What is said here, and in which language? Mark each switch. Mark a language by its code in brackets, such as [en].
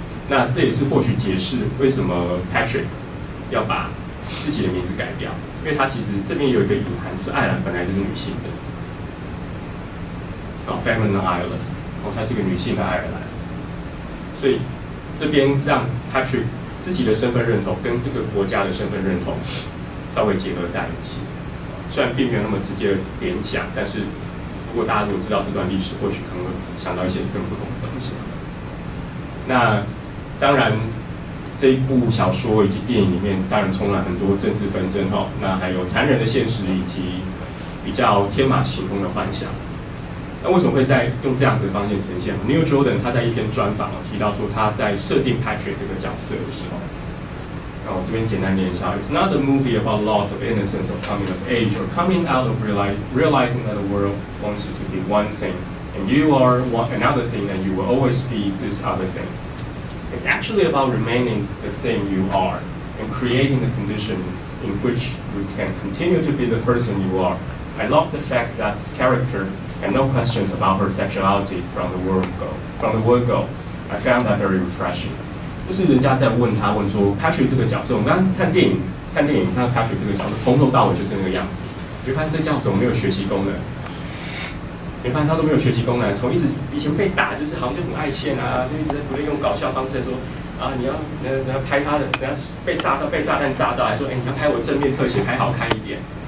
[zh] 那这也是或许解释为什么 Patrick 要把自己的名字改掉，因为他其实这边有一个隐含，就是爱尔兰本来就是女性的，哦 ， [en] Feminine Ireland， [zh] 哦，她是一个女性的爱尔兰，所以这边让 Patrick 自己的身份认同跟这个国家的身份认同稍微结合在一起，虽然并没有那么直接的联想，但是如果大家如果知道这段历史，或许可能会想到一些更不同的东西。那当然，这一部小说以及电影里面，当然充满很多政治纷争哈，那还有残忍的现实以及比较天马行空的幻想。那为什么会在用这样子的方式呈现 ？Neil Jordan 他在一篇专访提到说，他在设定 Patrick 这个角色的时候，那我这边简单念一下 [en] ：It's not a movie about loss of innocence or coming of age or coming out of realizing that the world wants you to be one thing and you are another thing and you will always be this other thing. It's actually about remaining the thing you are and creating the conditions in which you can continue to be the person you are. I love the fact that character had no questions about her sexuality from the word go. I found that very refreshing. [zh] 这是人家在问他，问说 Patrick 这个角色，我们刚刚看电影，看到 Patrick 这个角色从头到尾就是那个样子，你发现这叫做没有学习功能。你看他都没有学习功能，从一直以前被打，就是好像就很爱现啊，就一直在不断用搞笑方式来说啊，你要拍他的，人家被炸弹炸到，还说哎、欸，你要拍我正面特写，拍好看一点。